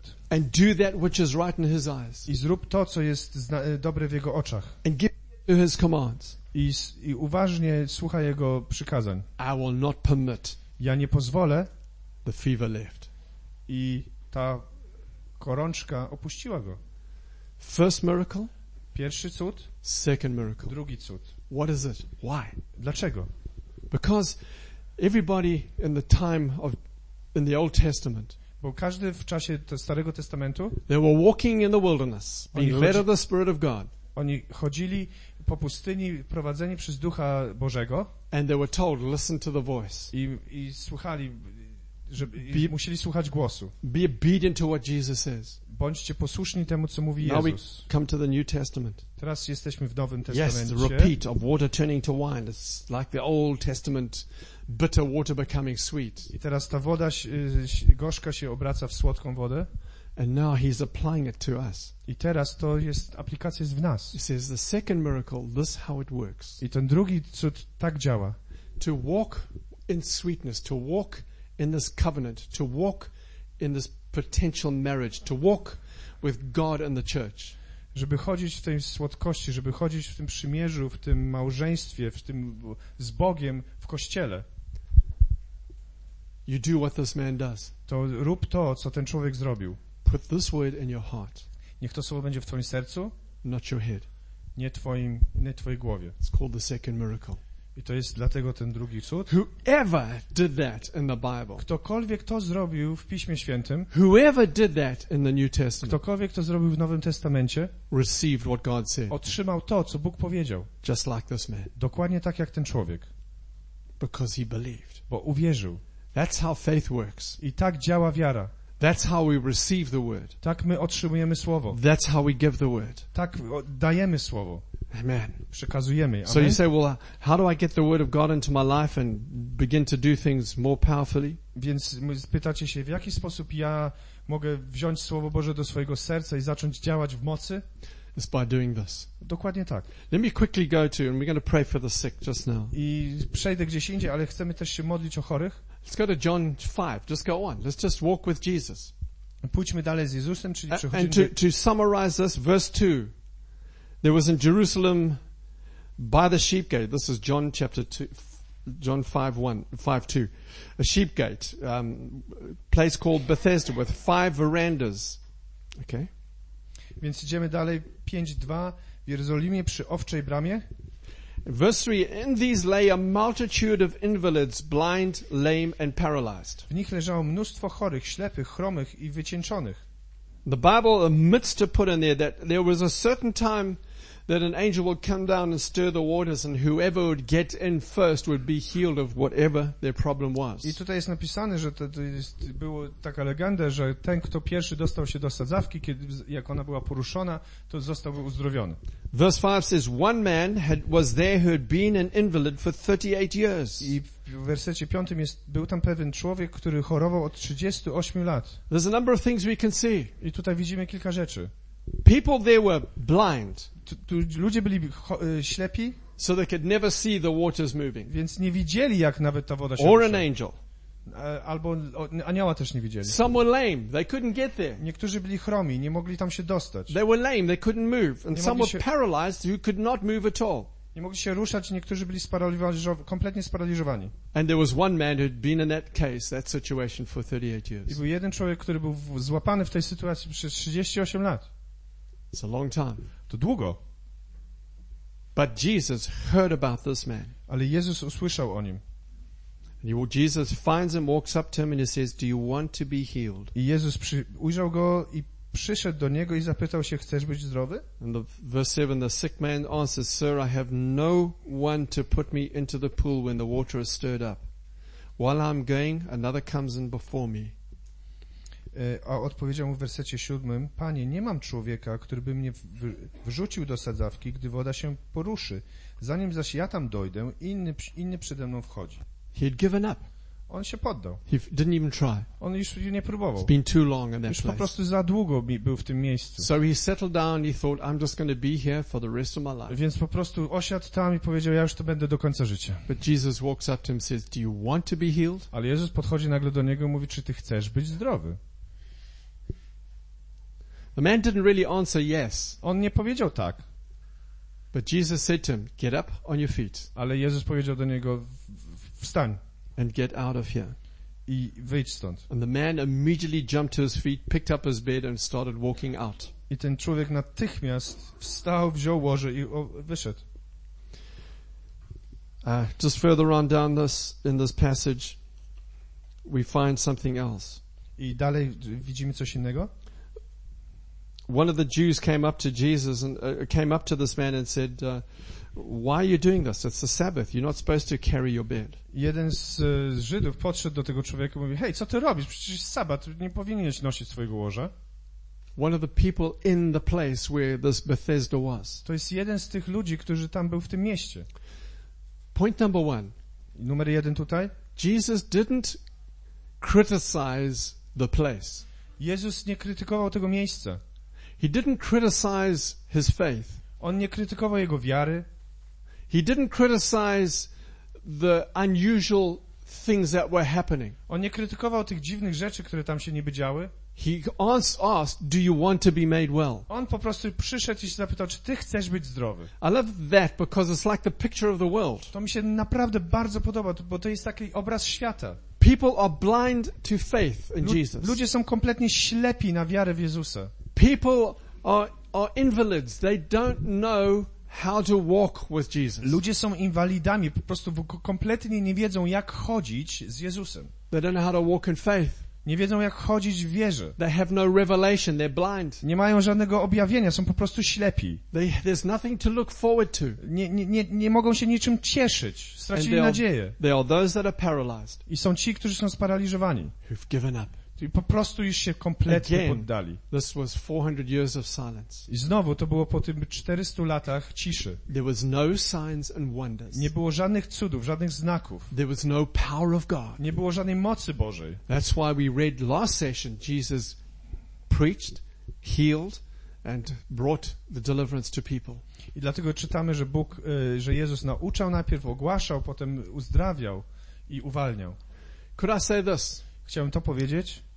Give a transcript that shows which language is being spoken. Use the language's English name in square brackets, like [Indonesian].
[English] And do that which is right in his eyes. [Polish] I zrób to, co jest dobre w jego oczach. [English] And give to his commands. [Polish] I uważnie słuchaj jego przykazań. [English] I will not permit. [Polish] Ja nie pozwolę. [English] The fever left. [Polish] I ta gorączka opuściła go. [English] First miracle. [Polish] Pierwszy cud. [English] Second miracle. [Polish] Drugi cud. [English] What is it? Why? [Polish] Dlaczego? [English] Because everybody in the time of in the Old Testament. [Polish] Bo każdy w czasie Starego Testamentu. [English] They were walking in the wilderness, being led of the Spirit of God. [Polish] Oni chodzili po pustyni, prowadzeni przez Ducha Bożego. [English] And they were told, listen to the voice. [Polish] I słuchali, żeby musieli słuchać głosu. [English] Be obedient to what Jesus says. [Polish] Bądźcie posłuszni temu, co mówi [English] now [Polish] Jezus. [English] Now we come to the New Testament. [Polish] Teraz jesteśmy w Nowym Testamencie. [English] Yes, the repeat of water turning to wine. It's like the Old Testament. Bitter water becoming sweet. [Polish] I teraz ta woda gorzka się obraca w słodką wodę. [English] And now he's applying it to us. [Polish] I teraz to jest, aplikacja jest w nas. [English] He says the second miracle, this is how it works. [Polish] I ten drugi cud tak działa. [English] To walk in sweetness, to walk in this covenant, to walk in this potential marriage, to walk with God and the church. [Polish] Żeby chodzić w tej słodkości, żeby chodzić w tym przymierzu, w tym małżeństwie, w tym z Bogiem w kościele. [English] You do what this man does. [Polish] To rób to, co ten człowiek zrobił. [English] Put this word in your heart. [Polish] Niech to słowo będzie w twoim sercu. [English] Not your head. [Polish] Nie twojej głowie. [English] It's called the second miracle. [Polish] I to jest dlatego ten drugi cud. [English] Whoever did that in the Bible. [Polish] Ktokolwiek to zrobił w Piśmie Świętym. [English] Whoever did that in the New Testament. [Polish] Ktokolwiek to zrobił w Nowym Testamencie. [English] Received what God said. [Polish] Otrzymał to, co Bóg powiedział. [English] Just like this man. [Polish] Dokładnie tak jak ten człowiek. [English] Because he believed. [Polish] Bo uwierzył. [English] That's how faith works. [Polish] I tak działa wiara. [English] That's how we receive the word. [Polish] Tak my otrzymujemy słowo. [English] That's how we give the word. [Polish] Tak dajemy słowo. [English] Amen. [Polish] Przekazujemy. [English] So you say, well, how do I get the word of God into my life and begin to do things more powerfully? [Polish] Więc pytacie się, w jaki sposób ja mogę wziąć słowo Boże do swojego serca i zacząć działać w mocy? [English] It's by doing this. [Polish] Dokładnie tak. [English] Let me quickly go to, and we're going to pray for the sick just now. [Polish] I przejdę gdzieś indziej, ale chcemy też się modlić o chorych. [English] Let's go to John 5. Just go on. Let's just walk with Jesus. [Polish] Pójdźmy dalej z Jezusem, czyli przechodzimy. [English] And to summarize this, verse 2. There was in Jerusalem by the sheep gate. This is John chapter 2, John 5:1-5:2. A sheep gate, place called Bethesda with five verandas. Okay. [Polish] Więc idziemy dalej, 5:2, w Jerozolimie przy owczej bramie. [English] Verse 3, in these lay a multitude of invalids, blind, lame and paralyzed. [Polish] W nich leżało mnóstwo chorych, ślepych, chromych i wycieńczonych. [English] The Bible admits to put in there that there was a certain time that an angel would come down and stir the waters and whoever would get in first would be healed of whatever their problem was. [Polish] I tutaj jest napisane, że to jest, było taka legenda, że ten, kto pierwszy dostał się do sadzawki, kiedy, jak ona była poruszona, to został uzdrowiony. [English] Verse 5 says, one man was there who had been an invalid for 38 years. [Polish] I w wersecie 5 jest, był tam pewien człowiek, który chorował od 38 lat. [English] There's a number of things we can see. [Polish] I tutaj widzimy kilka rzeczy. [English] People there were blind. [Polish] Ludzie byli ślepi, [English] so they could never see the waters moving. [Polish] Więc nie widzieli, jak nawet ta woda się rusza. [English] Or an angel. [Polish] Albo anioła też nie widzieli. [English] Some were lame. They couldn't get there. [Polish] Niektórzy byli chromi, nie mogli tam się dostać. [English] They were lame. They couldn't move. And some were paralyzed, who could not move at all. [Polish] Nie mogli się ruszać, niektórzy byli kompletnie sparaliżowani. [English] And there was one man who had been in that case, that situation for 38 years. [Polish] I był jeden człowiek, który był złapany w tej sytuacji przez 38 lat. [English] It's a long time. [Polish] To długo. [English] But Jesus heard about this man. [Polish] Ale Jezus usłyszał o nim. [English] And Jesus finds him, walks up to him and he says, "Do you want to be healed?" [Polish] I Jezus ujrzał go i przyszedł do niego i zapytał się, chcesz być zdrowy? [English] And verse 7, the sick man answers, "Sir, I have no one to put me into the pool when the water is stirred up. While I'm going, another comes in before me." [Polish] A odpowiedział mu w wersecie 7, Panie, nie mam człowieka, który by mnie wrzucił do sadzawki, gdy woda się poruszy. Zanim zaś ja tam dojdę, inny przede mną wchodzi. [English] He had given up. [Polish] On się poddał. [English] He didn't even try. [Polish] On już nie próbował. [English] It's been too long in that [Polish] już po prostu za długo był w tym miejscu. [English] So he settled down and he thought, I'm just going to be here for the rest of my life. [Polish] Więc po prostu osiadł tam i powiedział, ja już to będę do końca życia. [English] But Jesus walks up to him and says, do you want to be healed? [Polish] Ale Jezus podchodzi nagle do niego i mówi, czy ty chcesz być zdrowy? [English] The man didn't really answer yes. [Polish] On nie powiedział tak. [English] But Jesus said to him, "Get up on your feet." [Polish] Ale Jezus powiedział do niego, wstań. [English] And get out of here. [Polish] I wyjdź stąd. [English] And the man immediately jumped to his feet, picked up his bed and started walking out. [Polish] I ten człowiek natychmiast wstał, wziął łoże i wyszedł. [English] Just further on down this in this passage, we find something else. [Polish] I dalej widzimy coś innego. [English] One of the Jews came up to Jesus and came up to this man and said, "Why are you doing this? It's the Sabbath. You're not supposed to carry your bed." [Polish] Jeden z Żydów podszedł do tego człowieka i mówi: "Hej, co ty robisz? Przecież jest sabat, nie powinieneś nosić swojego łoża." [English] One of the people in the place where this Bethesda was. [Polish] To jest jeden z tych ludzi, którzy tam był w tym mieście. [English] Point number one. [Polish] Numer jeden tutaj. [English] Jesus didn't criticize the place. [Polish] Jezus nie krytykował tego miejsca. [English] He didn't criticize his faith. [Polish] On nie krytykował jego wiary. [English] He didn't criticize the unusual things that were happening. [Polish] On nie krytykował tych dziwnych rzeczy, które tam się niby działy. [English] He asked, "Do you want to be made well?" [Polish] On po prostu przyszedł i się zapytał, czy ty chcesz być zdrowy. [English] I love that because it's like the picture of the world. [Polish] To mi się naprawdę bardzo podoba, bo to jest taki obraz świata. [English] People are blind to faith in Jesus. Ludzie są kompletnie ślepi na wiarę w Jezusa. People are invalids. They don't know how to walk with Jesus. [Polish] Ludzie są inwalidami, po prostu kompletnie nie wiedzą, jak chodzić z Jezusem. [English] They don't know how to walk in faith. [Polish] Nie wiedzą, jak chodzić w wierze. [English] They have no revelation, they're blind. [Polish] Nie mają żadnego objawienia, są po prostu ślepi. [English] There's nothing to look forward to. [Polish] Nie mogą się niczym cieszyć. Stracili [English] And [Polish] nadzieję. [English] They are those that are paralyzed. [Polish] I są ci, którzy są sparaliżowani. [English] Who've given up. [Polish] I po prostu już się kompletnie poddali. [English] This was 400 years of silence. [Polish] I znowu to było po tym 400 latach ciszy. [English] There was no signs and wonders. [Polish] Nie było żadnych cudów, żadnych znaków. [English] There was no power of God. [Polish] Nie było żadnej mocy Bożej. [English] That's why we read last session. Jesus preached, healed and brought the deliverance to people. [Polish] I dlatego czytamy, że Bóg, że Jezus nauczał najpierw, ogłaszał, potem uzdrawiał i uwalniał. [English] Could I say this? [Polish] Chciałem to powiedzieć.